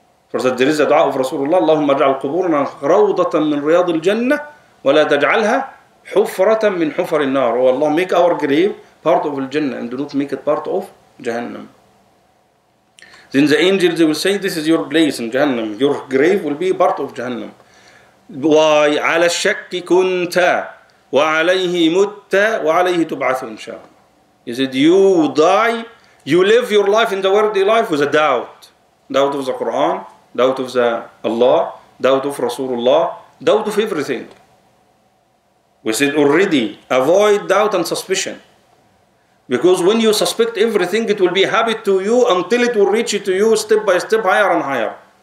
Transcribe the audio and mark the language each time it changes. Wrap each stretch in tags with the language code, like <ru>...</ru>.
<en>For that there is a dua of Rasulullah,</en> <ar>اللهم اجعل قبورنا روضة من رياض الجنة ولا تجعلها حفرة من حفر النار.</ar> <en>Oh Allah, make our grave part of Jannah and do not make it part of Jahannam. Then the angels will say, this is your place in Jahannam. Your grave will be part of Jahannam. Why?</en> <ar>على الشك كنت وعليه مت وعليه تبعث إن شاء الله.</ar> <en>He said, you die, you live your life in the worldly life with a doubt. Doubt of the Quran, doubt of the Allah, doubt of Rasulullah, doubt of everything. We said already, avoid doubt and suspicion. Because when you suspect everything, it will be habit to you until it will reach to you step by step, higher and higher.</en>